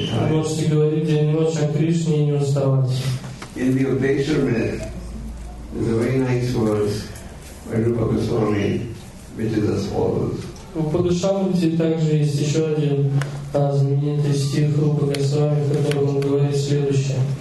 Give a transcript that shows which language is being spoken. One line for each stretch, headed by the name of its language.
Russian: можете говорить день и ночь о Кришне и не уставать.
English: In the Ovation Myth, there's a very nice verse by Rupa Goswami, which is as follows.
Russian: В Упадешамрите также есть еще один знаменитый стих Рупы Госвами, в котором он говорит следующее.